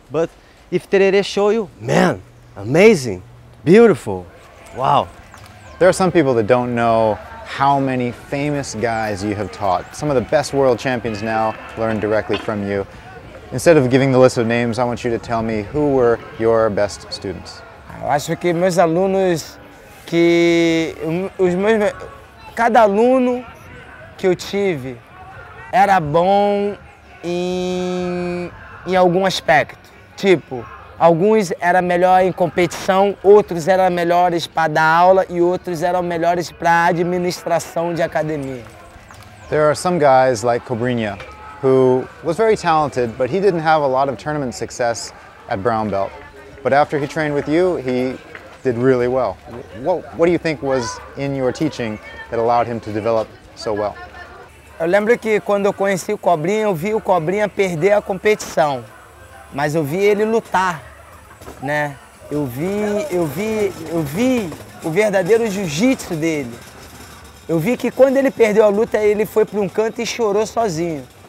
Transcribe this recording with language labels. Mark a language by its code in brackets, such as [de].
[en] But if Tererê show you, man, amazing, beautiful, wow. There are some people that don't know how many famous guys you have taught. Some of the best world champions now learn directly from you. Instead of giving the list of names, I want you to tell me who were your best students. [pt] Eu acho que meus alunos, que os meus, cada aluno que eu tive era bom em algum aspecto. Tipo, alguns eram melhor em competição, outros eram melhores para dar aula e outros eram melhores para administração de academia. [en] There are some guys like Cobrinha, who was very talented, but he didn't have a lot of tournament success at brown belt. But after he trained with you, he did really well. What do you think was in your teaching that allowed him to develop so well? [pt] Eu lembro que quando eu conheci o Cobrinha, eu vi o Cobrinha perder a competição, mas eu vi ele lutar, né? Eu vi o verdadeiro jiu-jitsu dele. Eu vi que quando ele perdeu a luta, ele foi para um canto e chorou sozinho.